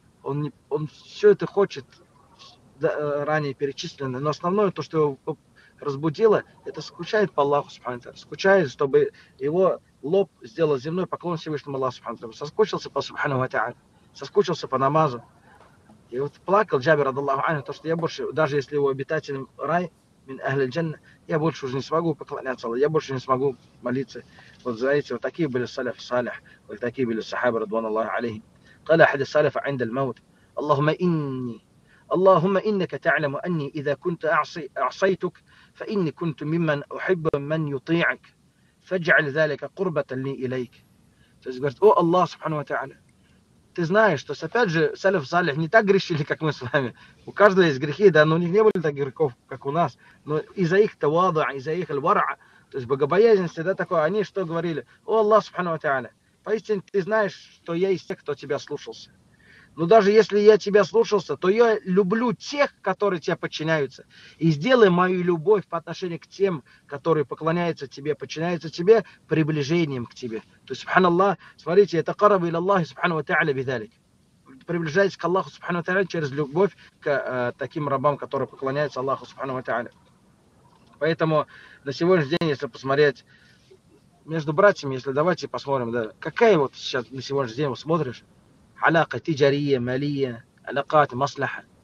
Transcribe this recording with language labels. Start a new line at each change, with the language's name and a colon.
Russian: Он все это хочет, да, ранее перечисленное, но основное то, что его разбудило, это скучает по Аллаху Субхану Тааля, скучает, чтобы его лоб сделал земной поклон Всевышнему Аллаху Субхану Тааля, соскучился по Субхану ва Тааля, соскучился по намазу. И вот плакал Джабир радиаллаху анху, то, что я больше, даже если его обитателем рай,
Arabic: мин ахлиль джанна,
Russian: я больше уже не смогу поклоняться Аллаху, я больше не смогу молиться. Вот знаете, вот такие были саляф салих, вот такие были сахабы радиаллаху алейхим.
Arabic: قال أحد السلف عند الموت: اللهم إنك تعلم أني إذا كنت أعصيتك فإني كنت ممن أحب من يطيعك فاجعل ذلك قربة لي إليك. فقلت: أو الله سبحانه وتعالى,
Russian: ты знаешь, что опять же салиф салих не так грешили, как мы с вами. У каждого есть грехи, да, но у них не было таких грехов, как у нас. Но из-за их тавадуа, из-за их аль-вара, то есть богобоязненности, да, такое, они что говорили: о Аллах субхану ва тааля, поистине, ты знаешь, что я из тех, кто тебя слушался. Но даже если я тебя слушался, то я люблю тех, которые тебе подчиняются. И сделай мою любовь по отношению к тем, которые поклоняются тебе, подчиняются тебе, приближением к тебе. То есть, субханаллах, смотрите, это
Arabic: قرب الى الله سبحانه وتعالى بذلك.
Russian: Приближаясь к Аллаху субхану ва тааля через любовь к таким рабам, которые поклоняются Аллаху субхану ва тааля. Поэтому на сегодняшний день, если посмотреть между братьями, если давайте посмотрим, да, какая вот сейчас на сегодняшний день смотришь,
Arabic: алака тиджария, малия, алакат, маслаха.